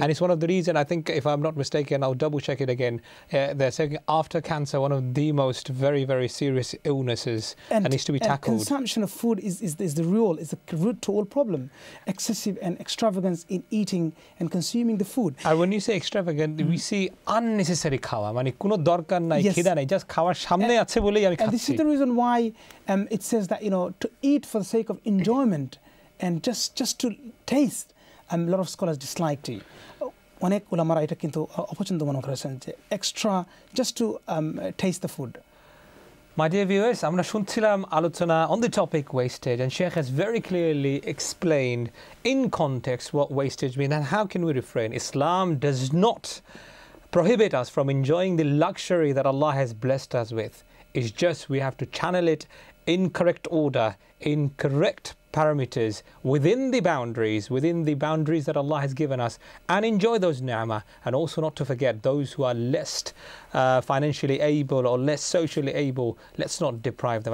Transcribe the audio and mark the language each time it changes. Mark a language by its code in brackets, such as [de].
[en] And it's one of the reasons, I think, if I'm not mistaken, I'll double check it again, they're saying after cancer, one of the most very, very serious illnesses and needs to be tackled. And consumption of food is the root to all problem. Excessive and extravagance in eating and consuming the food. And when you say extravagant, we see unnecessary khawa. [bn] মানে কোনো দরকার নাই, খিদা নাই, just খাওয়ার সামনে আছে বলেই আমি খাচ্ছি. [en] And this is the reason why it says that, you know, to eat for the sake of enjoyment, and just to taste, a lot of scholars dislike tea. [bn] অনেক ওলামারা এটা কিন্তু অপছন্দ মনে করেছেন যে [en] extra just to taste the food. My dear viewers, [bn] আমরা শুনছিলাম আলোচনা [en] on the topic wastage, and Sheikh has very clearly explained in context what wastage means and how can we refrain. Islam does not prohibit us from enjoying the luxury that Allah has blessed us with. It's just we have to channel it in correct order, in correct parameters, within the boundaries that Allah has given us, and enjoy those ni'mah, and also not to forget those who are less financially able or less socially able, let's not deprive them.